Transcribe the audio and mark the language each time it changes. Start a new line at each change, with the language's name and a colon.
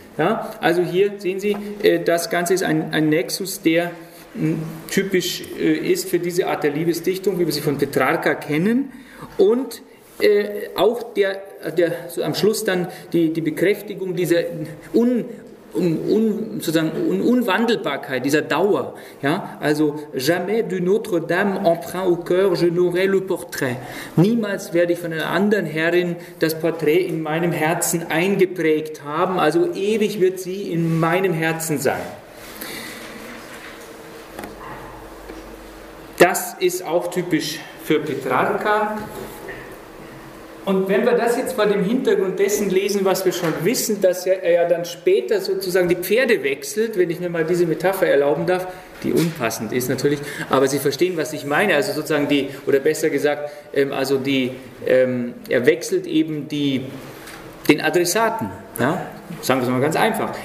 German: Ja, also hier sehen Sie, das Ganze ist ein Nexus, der typisch ist für diese Art der Liebesdichtung, wie wir sie von Petrarca kennen. Und auch der so am Schluss dann die Bekräftigung dieser Unwandelbarkeit, dieser Dauer. Ja?
French: Also, jamais d'une autre dame emprunt au cœur, je n'aurai le portrait.
German: Niemals werde ich von einer anderen Herrin das Porträt in meinem Herzen eingeprägt haben. Also, ewig wird sie in meinem Herzen sein. Das ist auch typisch für Petrarca. Und wenn wir das jetzt vor dem Hintergrund dessen lesen, was wir schon wissen, dass er ja dann später sozusagen die Pferde wechselt, wenn ich mir mal diese Metapher erlauben darf, die unpassend ist natürlich, aber Sie verstehen, was ich meine, also sozusagen die, oder besser gesagt, also die, er wechselt eben die, den Adressaten, ja? Sagen wir es mal ganz einfach.